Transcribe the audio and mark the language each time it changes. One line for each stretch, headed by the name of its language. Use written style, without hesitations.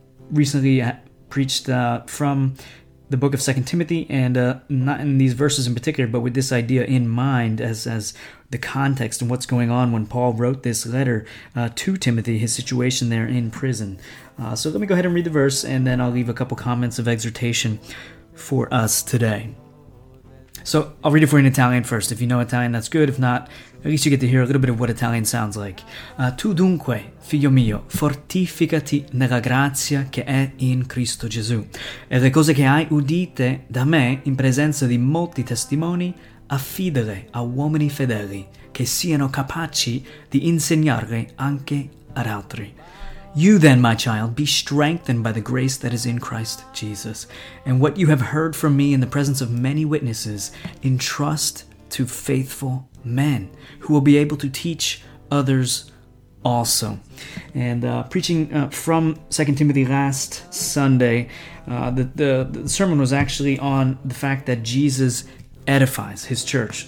English: Recently preached from the book of 2 Timothy, and not in these verses in particular, but with this idea in mind as the context and what's going on when Paul wrote this letter to Timothy, his situation there in prison. So let me go ahead and read the verse, and then I'll leave a couple comments of exhortation for us today. So I'll read it for you in Italian first. If you know Italian, that's good. If not, at least you get to hear a little bit of what Italian sounds like.
Italian: Tu dunque, figlio mio, fortificati nella grazia che è in Cristo Gesù. E le cose che hai udite da me in presenza di molti testimoni, affidale a uomini fedeli che siano capaci di insegnarle anche ad altri.
English: You then, my child, be strengthened by the grace that is in Christ Jesus. And what you have heard from me in the presence of many witnesses, entrust to faithful men who will be able to teach others also. And preaching from 2 Timothy last Sunday, the sermon was actually on the fact that Jesus edifies his church.